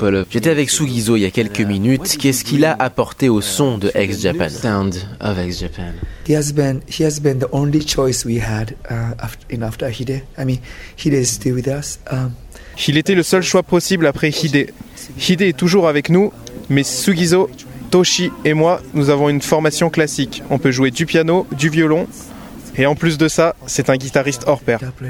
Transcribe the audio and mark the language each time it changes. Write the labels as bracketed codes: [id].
[fr] J'étais avec Sugizo il y a quelques minutes. Qu'est-ce qu'il a apporté au son de Ex-Japan? [en] Sound of Ex-Japan. He has been the only choice we had after Hide. I mean, Hide is still with us. [fr] Il était le seul choix possible après Hide. Hide est toujours avec nous, mais Sugizo, Toshi et moi, nous avons une formation classique. On peut jouer du piano, du violon, Et en plus de ça, c'est un guitariste hors pair.